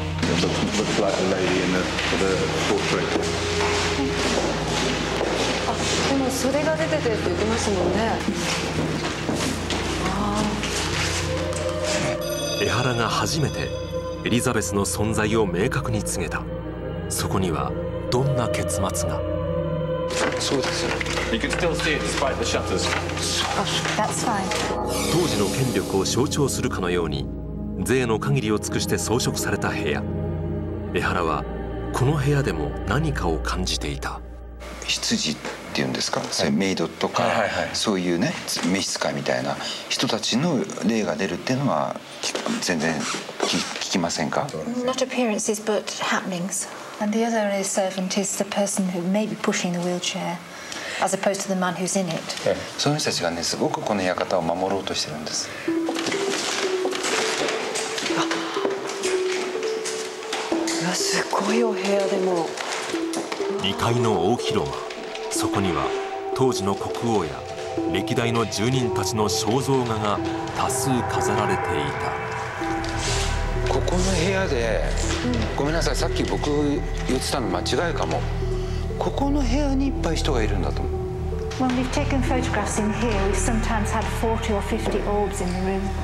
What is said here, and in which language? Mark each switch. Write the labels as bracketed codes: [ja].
[en] looks like a lady in the portrait [ja] でも袖が出ててって言ってますもんねエハラが初めてエリザベスの存在を明確に告げたそこにはどんな結末がそうです [en] よ You can still see it despite the shutters That's fine [ja] 当時の権力を象徴するかのように税の限りを尽くして装飾された部屋エハラはこの部屋でも何かを感じていた羊っていうんですか、はい、それメイドとか、はいはいはい、そういうね召使いみたいな人たちの霊が出るっていうのは全然聞きませんか [en] Not appearances but happenings And the other is servant is the person who may be pushing the wheelchair As opposed to the man who's in it、 [ja] はい、その人たちがねすごくこの館を守ろうとしてるんですあいやすごいお部屋でもうわ 2階の大広間、そこには当時の国王や歴代の住人たちの肖像画が多数飾られていた。ここの部屋で、ごめんなさい、さっき僕言ってたの間違いかも。ここの部屋にいっぱい人がいるんだと思う。 [en] When we've taken photographs in here, we've sometimes had 40 or 50 orbs in the room.